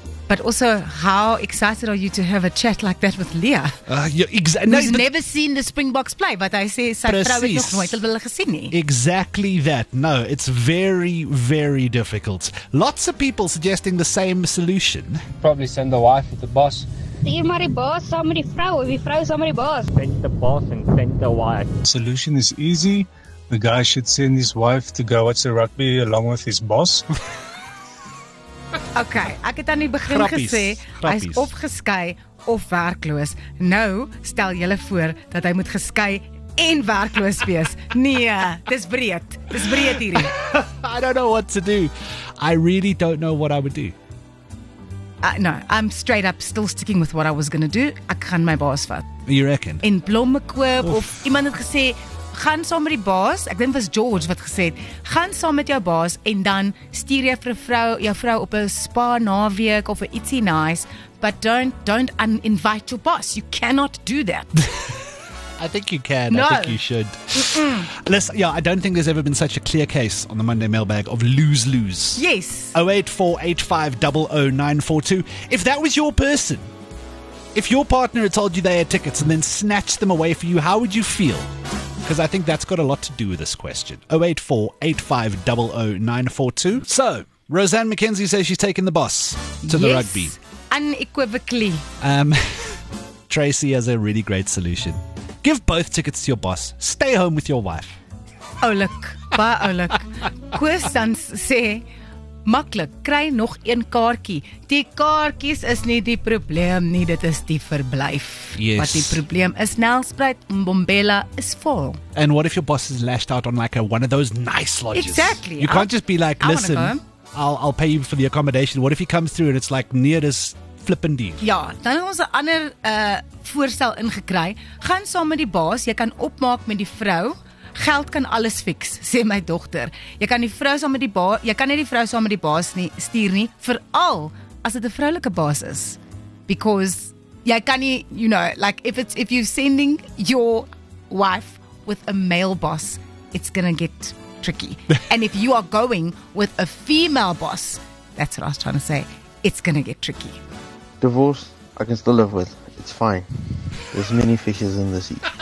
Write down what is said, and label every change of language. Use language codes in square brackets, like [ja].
[en] But also, how excited are you to have a chat like that with Leah? Never seen the Springboks play, but I say exactly that. No, it's very, very difficult. Lots of people suggesting the same solution. Probably send the wife with the boss. [af] Hier maar die baas saam met die vrou, of die vrou saam met die baas. [en] Send the boss and send the wife. Solution is easy. The guy should send his wife to go watch the rugby along with his boss. [af] Okay, ek het aan die begin gesê, hy is of geskei of werkloos. Nou, stel julle voor dat hy moet geskei en werkloos wees. Nee, dis breed. Dis breed hierdie. [en] I don't know what to do. I really don't know what I would do. No, I'm straight up still sticking with what I was going to do. [af] Ek gaan my baas vat. [en] You reckon? [af] In blommekoop of iemand het gesê, gaan saam met die baas, ek dink was George wat gesê het, gaan saam met jou baas en dan stuur jy vir jou vrou op 'n spa naweek of 'n ietsie nice, [en] but don't uninvite your boss. You cannot do that. I think you can. No. I think you should. Listen, yeah, I don't think there's ever been such a clear case on the Monday mailbag of lose-lose. Yes. 0848500942. If that was your person, if your partner had told you they had tickets and then snatched them away for you, how would you feel? Because I think that's got a lot to do with this question. 0848500942. So, Roseanne McKenzie says she's taking the bus to the rugby. Unequivocally. Tracy has a really great solution. Give both tickets to your boss. Stay home with your wife. [af] Oulik. Baie oulik. Koos dan sê, maklik, kry nog een kaartjie. Die kaartjies is nie die probleem nie, dit is die verblyf. [en] Yes. [af] Wat die probleem is, Nelspruit, Mbombela is vol. [en] And what if your boss is lashed out on like a one of those nice lodges? Exactly. You can't just be like, listen, I'll pay you for the accommodation. What if he comes through and it's like near this flippin' deal? [af] Ja, dan ons 'n ander voorstel ingekry. Gaan saam met die baas, jy kan opmaak met die vrou. Geld kan alles fix, sê my dogter. Jy kan die vrou saam met die baas, jy kan nie die vrou saam met die baas nie stuur nie, veral as dit 'n vroulike baas is. [en] Because [af] jy kan nie, [en] you know, like if you're sending your wife with a male boss, it's gonna get tricky. And if you are going with a female boss, that's what I was trying to say, it's gonna get tricky. Divorce, I can still live with. It's fine. There's many fishes in the sea.